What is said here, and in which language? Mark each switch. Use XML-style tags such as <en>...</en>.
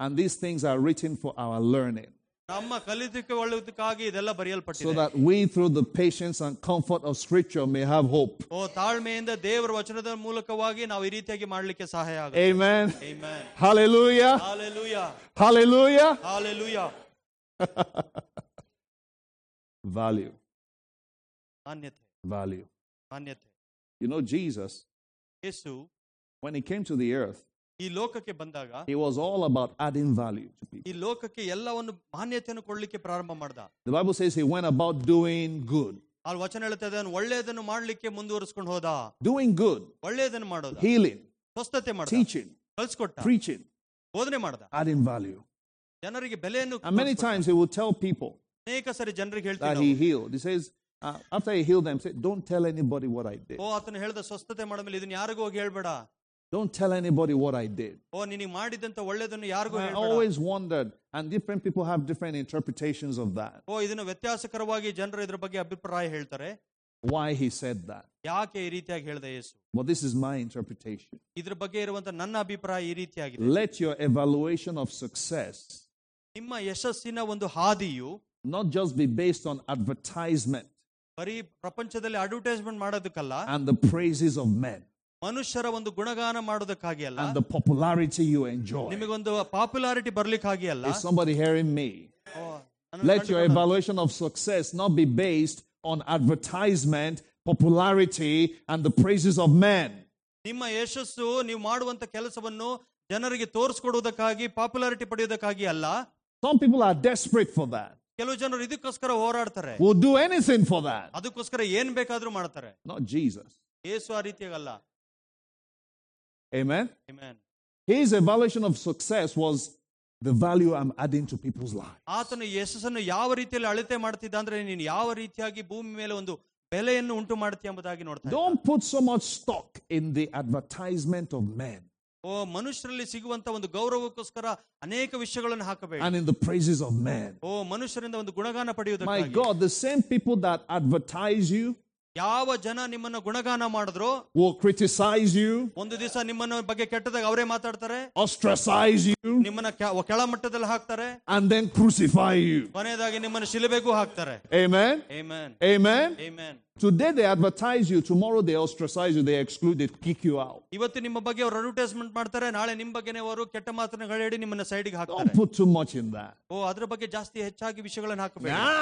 <en>And these things are written for our learning.</en> <kn>ನಮ್ಮ ಕಲಿತಕ್ಕೆ ಒಳ್ಳೆಯದಕ್ಕಾಗಿ ಇದೆಲ್ಲ ಬರೆಯಲ್ಪಟ್ಟಿದೆ.</kn> <en>So that we through the patience and comfort of scripture may have hope.</en> <kn>ಓ ತಾಳ್ಮೆಯಿಂದ ದೇವರ ವಚನದ ಮೂಲಕವಾಗಿ ನಾವು ಈ ರೀತಿಯಾಗಿ ಮಾಡಲಿಕ್ಕೆ ಸಹಾಯ ಆಗುತ್ತೆ.</kn> <en>Amen. Amen. Hallelujah. Hallelujah. Hallelujah. Hallelujah. Value.</en> <kn>ಮಾನ್ಯತೆ.</kn> <en>Value.</en> <kn>ಮಾನ್ಯತೆ.</kn> <en>You know Jesus.</en> <kn>Yesu.</kn> <en>When he came to the earth.</en> <kn>ಈ ಲೋಕಕ್ಕೆ ಬಂದಾಗ</kn> <en>he was all about adding value to people.</en> <kn>ಈ ಲೋಕಕ್ಕೆ ಎಲ್ಲವನ್ನು ಮಾನ್ಯತೆಯನ್ನು ಕೊಡಲಿಕ್ಕೆ ಪ್ರಾರಂಭ ಮಾಡಿದ.</kn> <en>The Bible says he went about doing good.</en> <kn>ಅಲ್ಲಿ ವಚನ ಹೇಳುತ್ತೆ ಅದನ್ನು ಒಳ್ಳೆಯದನ್ನು ಮಾಡಲಿಕ್ಕೆ ಮುಂದುವರಿಸಿಕೊಂಡು ಹೋದ.</kn> <en>Doing good.</en> <kn>ಒಳ್ಳೆಯದನ್ನು ಮಾಡೋದು.</kn> <en>Healing.</en> <kn>ಸ್ವಸ್ಥತೆ ಮಾಡೋದು.</kn> <en>Teaching.</en> <kn>ಕಲಿಸ್ಕೊಟ್ಟ.</kn> <en>Preaching.</en> <kn>ಬೋಧನೆ ಮಾಡಿದ.</kn> <en>Adding value.</en> <kn>ಜನರಿಗೆ ಬೆಲೆಯನ್ನು.</kn> <en>And many times he would tell people.</en> <kn>ಅನೇಕ ಸಾರಿ ಜನರಿಗೆ ಹೇಳ್ತಾನೆ.</kn> <en>He healed. He says after he healed them, said, don't tell anybody what I did.</en> <kn>ಓ ಅತನು ಹೇಳಿದ ಸ್ವಸ್ಥತೆ ಮಾಡಿದ ಮೇಲೆ ಇದನ್ನು ಯಾರಿಗೂ ಹೋಗಿ ಹೇಳಬೇಡ. Don't tell anybody what I did. ಓ ನಿನಗೆ ಮಾಡಿದಂತ ಒಳ್ಳೆಯದನ್ನು ಯಾರಿಗೂ ಹೇಳಬೇಡ.</kn> <en>I always wondered and different people have different interpretations of that.</en> <kn>ಓ ಇದನ್ನು ವ್ಯತ್ಯಾಸಕರವಾಗಿ ಜನರು ಇದರ ಬಗ್ಗೆ ಅಭಿಪ್ರಾಯ ಹೇಳ್ತಾರೆ.</kn> <en>Why he said that?</en> <kn>ಯಾಕೆ ಈ ರೀತಿಯಾಗಿ ಹೇಳಿದ ಯೇಸು?</kn> <en>But this is my interpretation.</en> <kn>ಇದರ ಬಗ್ಗೆ ಇರುವಂತ ನನ್ನ ಅಭಿಪ್ರಾಯ ಈ ರೀತಿಯಾಗಿದೆ.</kn> <en>Let your evaluation of success.</en> <kn>ನಿಮ್ಮ ಯಶಸ್ಸಿನ ಒಂದು ಹಾದಿಯು</kn> <en>not just be based on advertisement.</en> <kn>ಬರೀ ಪ್ರಪಂಚದಲ್ಲಿ advertisement ಮಾಡೋದಕ್ಕಲ್ಲ.</kn> <en>And the praises of men.</en> <kn>ಮನುಷ್ಯರ ಒಂದು ಗುಣಗಾನ ಮಾಡೋದಕ್ಕಾಗಿ ಅಲ್ಲ.</kn> <en>And the popularity you enjoy.</en> <kn>ನಿಮಗೊಂದು ಪಾಪ್ಯುಲಾರಿಟಿ ಬರ್ಲಿಕ್ಕಾಗಿ ಅಲ್ಲ.</kn> <en>Is somebody hearing me? Let your evaluation of success not be based on advertisement, popularity and the praises of men.</en> <kn>ನಿಮ್ಮ ಯಶಸ್ಸು ನೀವು ಮಾಡುವಂತ ಕೆಲಸವನ್ನು ಜನರಿಗೆ ತೋರಿಸಿಕೊಡುವುದಕ್ಕಾಗಿ ಪಾಪ್ಯುಲಾರಿಟಿ ಪಡೆಯುವುದಕ್ಕಾಗಿ ಅಲ್ಲ.</kn> <en>Some people are desperate for that.</en> <kn>ಕೆಲವು ಜನರು ಇದಕ್ಕೋಸ್ಕರ ಹೋರಾಡ್ತಾರೆ.</kn> <en>Would do anything for that.</en> <kn>ಅದಕ್ಕೋಸ್ಕರ ಏನ್ ಬೇಕಾದ್ರೂ ಮಾಡ್ತಾರೆ.</kn> <en>Not Jesus.</en> <kn>ಯೇಸು ಆ ರೀತಿಯಾಗಲ್ಲ.</kn> <en>Amen. Amen. His evaluation of success was the value I'm adding to people's lives.</en> <kn>ಆತನು ಯಶಸ್ಸನ್ನು ಯಾವ ರೀತಿಯಲ್ಲಿ ಅಳತೆ ಮಾಡ್ತಿದ್ದ ಅಂದ್ರೆ ನೀನು ಯಾವ ರೀತಿಯಾಗಿ ಭೂಮಿ ಮೇಲೆ ಒಂದು ಬೆಲೆಯನ್ನು ಉಂಟು ಮಾಡ್ತೀಯ ಎಂಬುದಾಗಿ ನೋಡ್ತಾ.</kn> <en>Don't put so much stock in the advertisement of men.</en> <kn>ಓ ಮನುಷ್ಯರಲ್ಲಿ ಸಿಗುವಂತ ಒಂದು ಗೌರವಕ್ಕೋಸ್ಕರ ಅನೇಕ ವಿಷಯಗಳನ್ನು ಹಾಕಬೇಡಿ.</kn> <en>And in the praises of men.</en> <kn>ಓ ಮನುಷ್ಯರಿಂದ ಒಂದು ಗುಣಗಾನ ಪಡೆಯುವುದಕ್ಕಾಗಿ.</kn> <en>My God, the same people that advertise you.</en> <kn>ಯಾವ ಜನ ನಿಮ್ಮನ್ನು ಗುಣಗಾನ ಮಾಡಿದ್ರು.</kn> <en>Oh criticize you.</en> <kn>ಒಂದು ದಿವಸ ನಿಮ್ಮನ್ನ ಬಗ್ಗೆ ಕೆಟ್ಟದಾಗ ಅವರೇ ಮಾತಾಡ್ತಾರೆ.</kn> <en>Ostracize you.</en> <kn>ನಿಮ್ಮನ್ನ ಕೆಳಮಟ್ಟದಲ್ಲಿ ಹಾಕ್ತಾರೆ.</kn> <en>And then crucify you.</en> <kn>ಕೊನೆಯದಾಗಿ ನಿಮ್ಮನ್ನ ಶಿಲುಬೆಗೂ ಹಾಕ್ತಾರೆ.</kn> <en>Amen. Amen. Amen. Amen. Today they advertise you, tomorrow they ostracize you, they exclude, they kick you out.</en> <kn>ಇವತ್ತು ನಿಮ್ಮ ಬಗ್ಗೆ ಅವರು ಅಡ್ವರ್ಟೈಸ್ಮೆಂಟ್ ಮಾಡ್ತಾರೆ, ನಾಳೆ ನಿಮ್ಮ ಬಗ್ಗೆ ಅವರು ಕೆಟ್ಟ ಮಾತುಗಳೇಳಿ ನಿಮ್ಮನ್ನ ಸೈಡ್ಗೆ ಹಾಕ್ತಾರೆ.</kn> <en>Don't put too much in that.</en> <kn>ಓ ಅದರ ಬಗ್ಗೆ ಜಾಸ್ತಿ ಹೆಚ್ಚಾಗಿ ವಿಷಯಗಳನ್ನು ಹಾಕಬೇಡಿ.</kn>